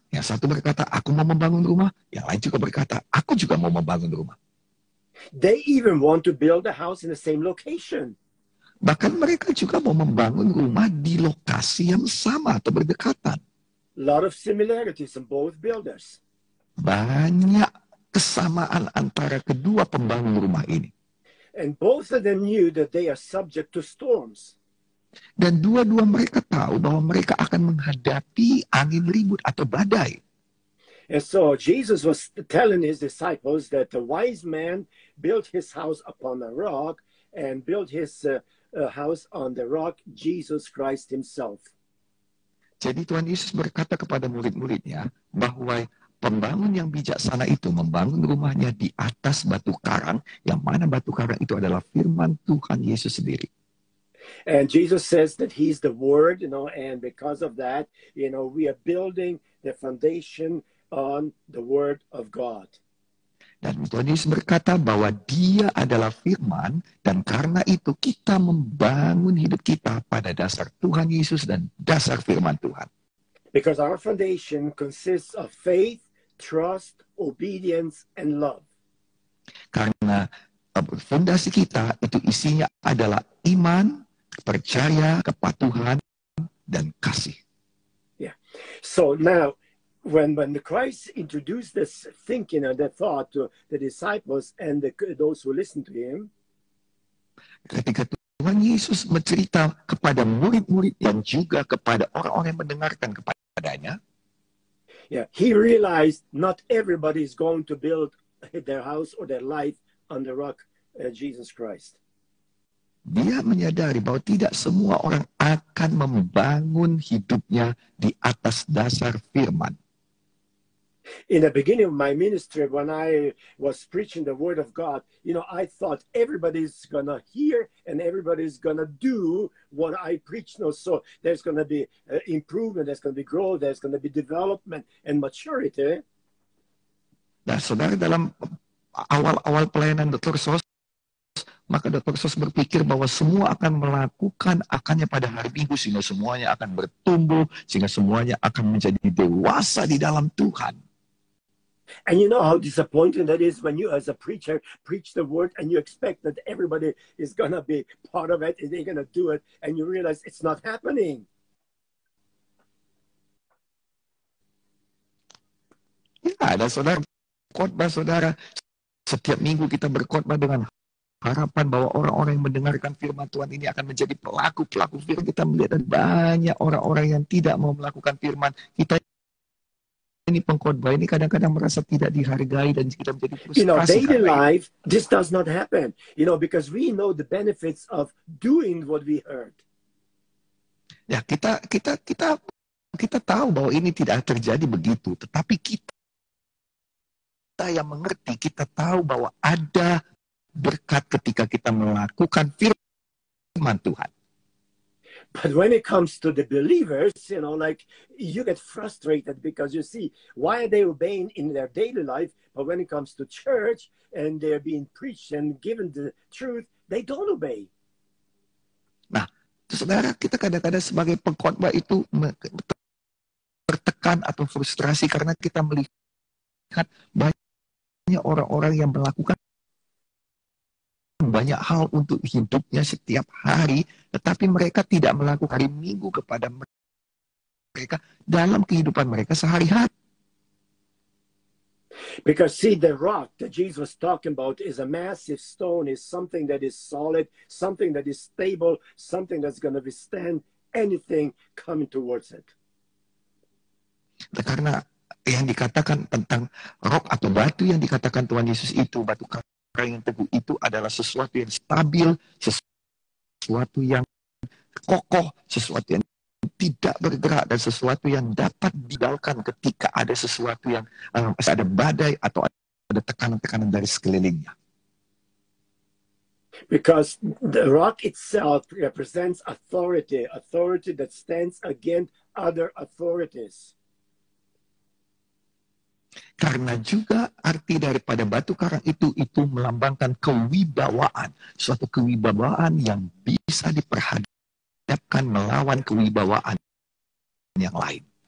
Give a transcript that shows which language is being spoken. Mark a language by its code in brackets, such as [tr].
[id] Yang satu berkata, aku mau membangun rumah. Yang lain juga berkata, aku juga mau membangun rumah. [en] They even want to build a house in the same location. [id] Bahkan mereka juga mau membangun rumah di lokasi yang sama atau berdekatan. [en] Lot of similarities in both builders. [id] Banyak kesamaan antara kedua pembangun rumah ini. [en] And both of them knew that they are subject to storms. [id] Dan dua-dua mereka tahu bahwa mereka akan menghadapi angin ribut atau badai. [en] And so Jesus was telling his disciples that the wise man built his house upon a rock and built his house on the rock, Jesus Christ himself. [id] Jadi Tuhan Yesus berkata kepada murid-muridnya bahwa pembangun yang bijaksana itu membangun rumahnya di atas batu karang, yang mana batu karang itu adalah firman Tuhan Yesus sendiri. [en] And Jesus says that he's the word, you know, and because of that, you know, we are building the foundation on the word of God. [id] Dan Tuhan Yesus berkata bahwa dia adalah firman, dan karena itu kita membangun hidup kita pada dasar Tuhan Yesus dan dasar firman Tuhan. [en] Because our foundation consists of faith, trust, obedience, and love. [id] Karena fondasi kita itu isinya adalah iman, percaya, kepatuhan, dan kasih. [en] Yeah. So now, when Christ introduced this thinking and the thought to the disciples and those who listened to him, [id] ketika Tuhan Yesus mencerita kepada murid-murid dan juga kepada orang-orang yang mendengarkan kepadanya, [en] yeah, he realized not everybody is going to build their house or their life on the rock, Jesus Christ. [id] Dia menyadari bahwa tidak semua orang akan membangun hidupnya di atas dasar firman. [en] In the beginning of my ministry, when I was preaching the word of God, you know, I thought everybody's gonna hear and everybody's gonna do what I preach. You know, so there's gonna be improvement, there's gonna be growth, there's gonna be development and maturity. [id] Nah, saudara, dalam awal-awal pelayanan Dr. Sos, maka Dr. Sos berpikir bahwa semua akan melakukan akannya pada hari Minggu, sehingga semuanya akan bertumbuh, sehingga semuanya akan menjadi dewasa di dalam Tuhan. [en] And you know how disappointing that is when you as a preacher preach the word and you expect that everybody is going to be part of it and they're going to do it and you realize it's not happening. [id] Ya, dan saudara, khotbah saudara, setiap minggu kita berkhotbah dengan harapan bahwa orang-orang yang mendengarkan firman Tuhan ini akan menjadi pelaku-pelaku firman. Kita melihat dan banyak orang-orang yang tidak mau melakukan firman. Kita ini pengkhotbah ini kadang-kadang merasa tidak dihargai dan kita menjadi frustrasi. [en] You know, daily life, this does not happen. You know, because we know the benefits of doing what we heard. [id] Ya, kita tahu bahwa ini tidak terjadi begitu. Tetapi kita yang mengerti, kita tahu bahwa ada berkat ketika kita melakukan firman Tuhan. [en] But when it comes to the believers, you know, like you get frustrated because you see why are they obeying in their daily life, but when it comes to church and they're being preached and given the truth, they don't obey. [id] Nah, saudara, kita kadang-kadang sebagai pengkhotbah itu tertekan atau frustrasi karena kita melihat banyak orang-orang yang melakukan banyak hal untuk hidupnya setiap hari, tetapi mereka tidak melakukan hari Minggu kepada mereka dalam kehidupan mereka sehari-hari. [en] Because see, the rock that Jesus was talking about is a massive stone, is something that is solid, something that is stable, something that's going to withstand anything coming towards it. [id] Karena yang dikatakan tentang rock atau batu yang dikatakan Tuhan Yesus itu, batu karang yang teguh itu adalah sesuatu yang stabil, sesuatu yang kokoh, sesuatu yang tidak bergerak, dan sesuatu yang dapat digalkan ketika ada sesuatu yang ada badai atau ada tekanan-tekanan dari sekelilingnya. [en] Because the rock itself represents authority, authority that stands against other authorities. [id] Karena juga arti daripada batu karang itu melambangkan kewibawaan, suatu kewibawaan yang bisa diperhadapkan melawan kewibawaan yang lain.